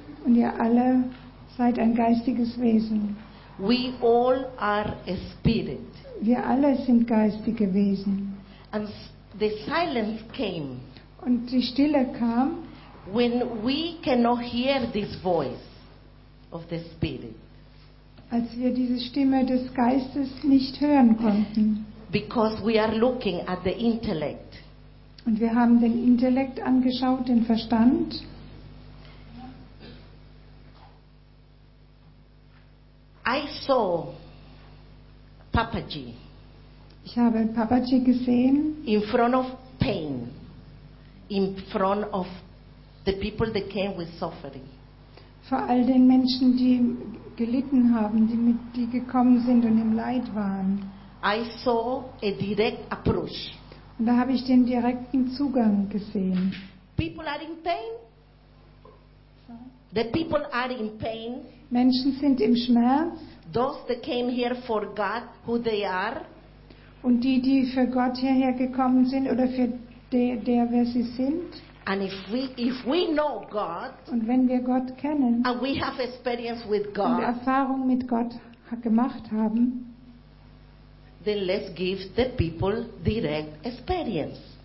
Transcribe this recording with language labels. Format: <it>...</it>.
<de>Und ihr alle seid ein geistiges Wesen.</de> <en>We all are a spirit.</en> <de>Wir alle sind geistige Wesen.</de> <en>And the silence came.</en> <de>Und die Stille kam.</de> <en>When we cannot hear this voice of the spirit.</en> <de>Als wir diese Stimme des Geistes nicht hören konnten.</de> <en>Because we are looking at the intellect.</en> <de>Und wir haben den Intellekt angeschaut, den Verstand.</de> <en>I saw Papaji.</en> <de>Ich habe Papaji gesehen.</de> <en>In front of pain. In front of the people that came with suffering.</en> <de>Vor all den Menschen, die gelitten haben, die gekommen sind und im Leid waren.</de> <en>I saw a direct approach.</en> <de>Und da habe ich den direkten Zugang gesehen.</de> <en>People are in pain. The people are in pain.</en> <de>Menschen sind im Schmerz.</de> <en>Those that came here for God, who they are.</en> <de>Und die für Gott hierher gekommen sind oder für der, wer sie sind.</de> <en>And if we know God,</en> <de>und wenn wir Gott kennen,</de> <en>and we have experience with God,</en> <de>und Erfahrung mit Gott gemacht haben,</de> <en>then let's give the people direct experience.</en>